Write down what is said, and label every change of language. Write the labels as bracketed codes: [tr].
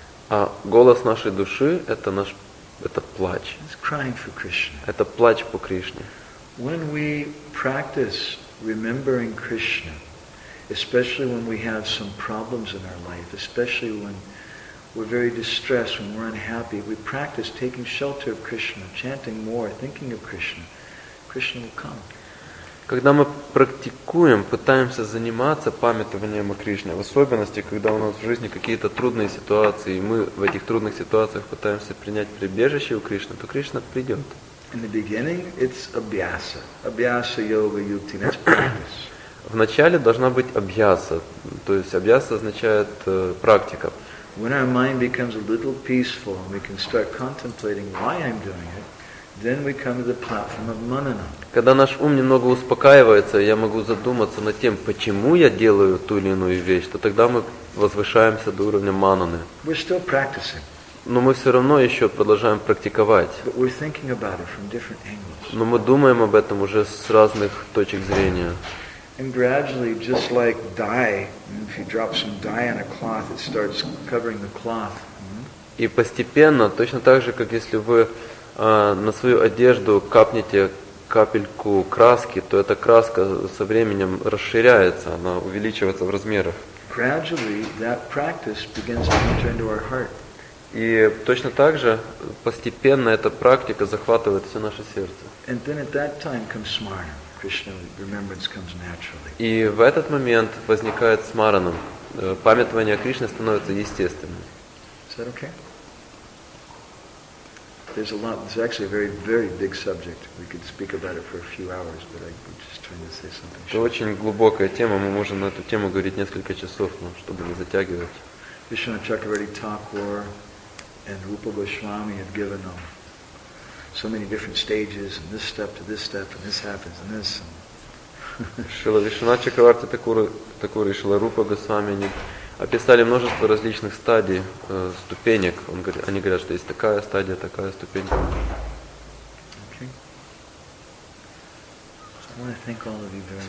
[ru] А голос нашей души – это наш, это плач. Это плач по Кришне. [en] When we practice remembering Krishna, especially when we have some problems in our life, especially when we're very distressed, when we're unhappy, we practice taking shelter of Krishna, chanting more, thinking of Krishna, Krishna will come. [ru] Когда мы практикуем, пытаемся заниматься памятованием о Кришне, в особенности, когда у нас в жизни какие-то трудные ситуации, и мы в этих трудных ситуациях пытаемся принять прибежище у Кришны, то Кришна придет. [en] In the beginning, it's abhyasa. Abhyasa yoga yukti, that's practice. [ru] Вначале должна быть абьяса, то есть абьяса означает практика. [en] When our mind becomes a little peaceful and we can start contemplating why I'm doing it, then we come to the platform of manana. [ru] Когда наш ум немного успокаивается, я могу задуматься над тем, почему я делаю ту или иную вещь, то тогда мы возвышаемся до уровня мананы. [en] We're still practicing. [ru] Но мы все равно еще продолжаем практиковать. [en] But we're thinking about it from different angles. [ru] Но мы думаем об этом уже с разных точек зрения. [en] And gradually, just like dye, if you drop some dye on a cloth, it starts covering the cloth. [ru] И постепенно, точно так же, как если вы на свою одежду капнете капельку краски, то эта краска со временем расширяется, она увеличивается в размерах. [en] Gradually, that practice begins to enter into our heart. [ru] И точно так же постепенно эта практика захватывает все наше сердце. [en] And then at that time comes smarana. Krishna remembrance comes naturally. [ru] И в этот момент возникает смарана. Памятование о Кришне становится естественным. [en] Is that okay? There's a lot. It's actually a very, very big subject. We could speak about it for a few hours, but I'm just trying to say something. [ru] Это очень глубокая тема. Мы можем на эту тему говорить несколько часов, но чтобы не затягивать. [en] Vishnu Chakravarti Thakur and Rupa Goswami have given them so many different stages, and this step to this step, and this happens, and this. [ru] Шрила Вишванатха Чакраварти Такура и Шрила Рупа Госвами описали множество различных стадий, ступенек. Они говорят, что есть такая стадия, такая ступенька. [en] Okay. I want to thank all of you very much.